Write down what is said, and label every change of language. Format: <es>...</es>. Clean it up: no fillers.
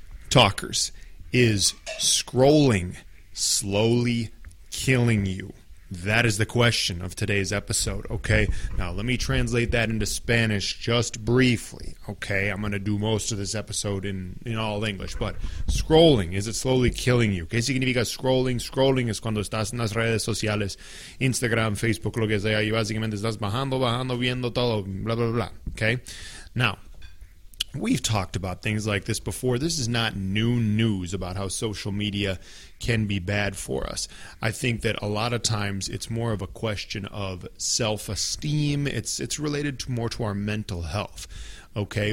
<en>Talkers, is scrolling slowly killing you? That is the question of today's episode, okay? Now, let me translate that into Spanish just briefly, okay? I'm going to do most of this episode in all English, but scrolling, is it slowly killing you?</en> <es>¿Qué significa scrolling? Scrolling es cuando estás en las redes sociales, Instagram, Facebook, lo que sea, y básicamente estás bajando, viendo todo, blah, blah, blah, okay?</es> <en>Now, we've talked about things like this before. This is not new news about how social media can be bad for us. I think that a lot of times it's more of a question of self-esteem. It's related to more to our mental health, okay?</en>